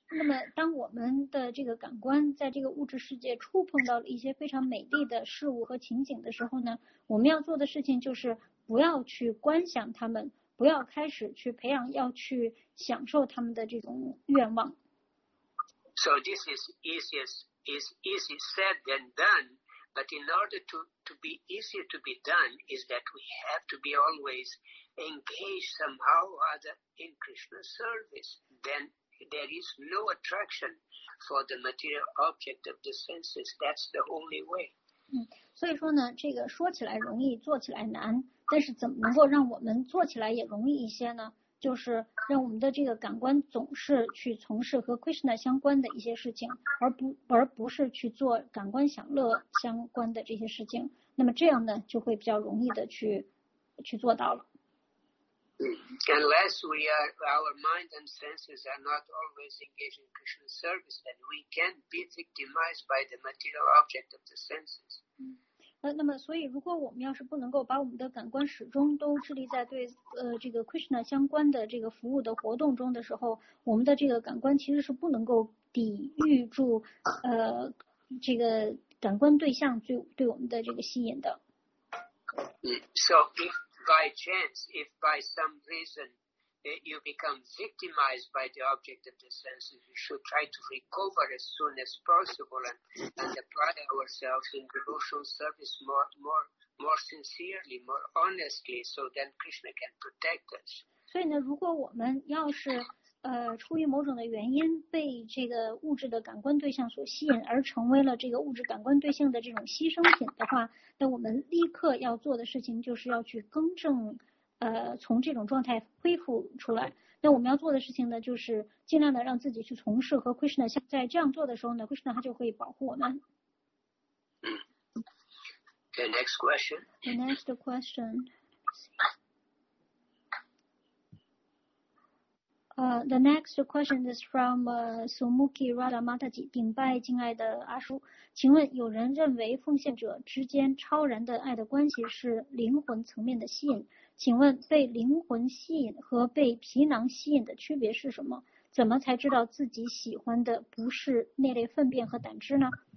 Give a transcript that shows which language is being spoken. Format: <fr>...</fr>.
<zh>那么当我们的这个感官在这个物质世界触碰到了一些非常美丽的事物和情景的时候呢，我们要做的事情就是不要去观想它们，不要开始去培养要去享受它们的这种愿望。</zh> <en>So this is easy said than done, but in order to be easier to be done is that we have to be always engaged somehow or other in Krishna's service. Then there is no attraction for the material object of the senses. That's the only way.</en> <zh>所以说呢，这个说起来容易，做起来难，但是怎么能够让我们做起来也容易一些呢？就是让我们的这个感官总是去从事和 Krishna 相关的一些事情，而不是去做感官享乐相关的这些事情，那么这样呢就会比较容易的去做到了。</zh> <en>Unless we are our mind and senses are not always engaged in Krishna's service, then we can't be victimized by the material object of the senses.</en> <zh>那么所以如果我们要是不能够把我们的感官始终都致力在对这个 Krishna 相关的这个服务的活动中的时候，我们的这个感官其实是不能够抵御住这个感官对象对我们的这个吸引的。</zh> <en>So if by chance, if by some reason you become victimized by the object of the senses, you should try to recover as soon as possible and apply ourselves in devotional service more sincerely, more honestly, so then Krishna can protect us.</en> <zh>所以呢，如果我们要是出于某种的原因被这个物质的感官对象所吸引，而成为了这个物质感官对象的这种牺牲品的话，那我们立刻要做的事情就是要去更正从这种状态恢复出来。那我们要做的事情呢，就是尽量的让自己去从事和 Krishna 相，在这样做的时候呢， Krishna 他就会保护我们。</zh> <en>The next question. The next question. The next question is from Sumukhi Radha Mataji.</en> <zh>顶拜敬爱的阿叔，请问有人认为奉献者之间超然的爱的关系是灵魂层面的吸引，请问被灵魂吸引和被皮囊吸引的区别是什么？怎么才知道自己喜欢的不是那类粪便和胆汁呢？</zh>